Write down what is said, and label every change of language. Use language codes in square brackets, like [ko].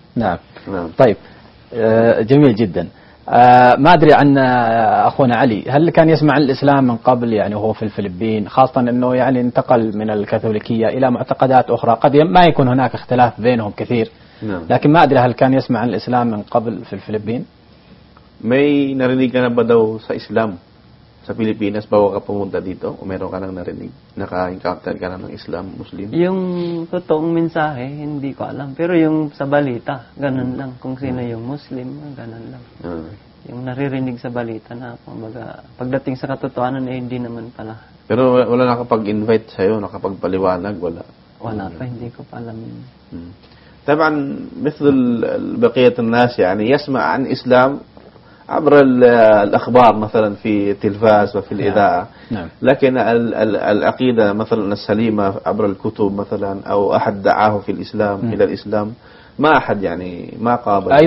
[ar] نعم طيب جميل جدا ما أدري عن أخونا علي، هل كان يسمع الإسلام من قبل يعني هو في الفلبين، خاصة أنه يعني انتقل من الكاثوليكية إلى معتقدات أخرى، قد ما يكون هناك اختلاف بينهم كثير. نعم. لكن ما أدري هل كان يسمع الإسلام من قبل في الفلبين؟ [tl] May narinig ka na ba daw sa Islam sa Pilipinas bago ka pumunta dito? O meron ka nang narinig? Naka-encounter ka na ng Islam, Muslim? Yung totoong mensahe, hindi ko alam. Pero yung sa balita, ganun lang. Kung sino yung Muslim, ganun lang. Yung naririnig sa balita na kumbaga, pagdating sa katotohanan, hindi naman pala. Pero wala nakapag-invite sa'yo? Nakapagpaliwanag? Wala? Wala pa. Hindi ko pa alam. [ar] طبعا مثل بقية الناس يعني يسمع عن الإسلام عبر الأخبار مثلا في التلفاز وفي الإذاعة، لكن العقيدة مثلا السليمة عبر الكتب مثلا أو أحد دعاه في الإسلام إلى الإسلام ما أحد يعني ما قابل.